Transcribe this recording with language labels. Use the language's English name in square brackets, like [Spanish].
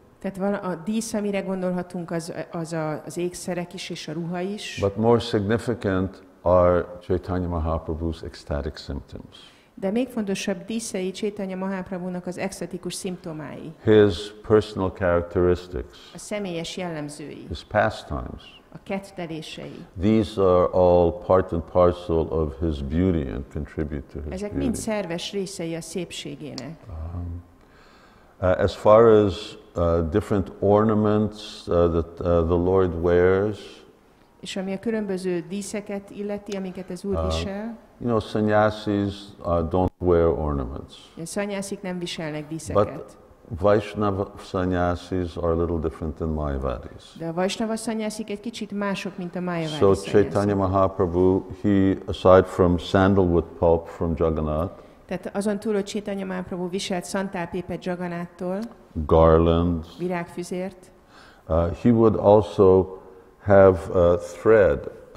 [Hungarian] Tehát a dísz, amire gondolhatunk, az ékszerek is és a ruha is. [English] But more significant are Chaitanya Mahaprabhu's ecstatic symptoms. [Hungarian] De még fontosabb díszei Chaitanya Mahaprabhunak az ecstatikus szimptomái. [English] His personal characteristics. [Hungarian] A személyes jellemzői. [English] His pastimes. [Hungarian] A kettelései. [English] These are all part and parcel of his beauty and contribute to his beauty. [Hungarian] Ezek mind szerves részei a szépségének. [English] As far as different ornaments that the Lord wears, [Hungarian] és ami a különböző díszeket illeti, amiket az Úr visel. [English] You know, sannyasis don't wear ornaments. [Hungarian] Sannyasik nem viselnek díszeket. [English] But Vaishnava sannyasis are a little different than Mayavadis. [Hungarian] De a Vaishnava sannyasik egy kicsit mások, mint a Mayavadis. [English] So Chaitanya Mahaprabhu, he aside from sandalwood pulp from Jagannath. [Hungarian] Tehát azon túl, hogy Chaitanya Mahaprabhu viselt szantálpépet Jagannáttól. [English] Garlands. [Hungarian] Virágfüzért. [English] He would also have a thread.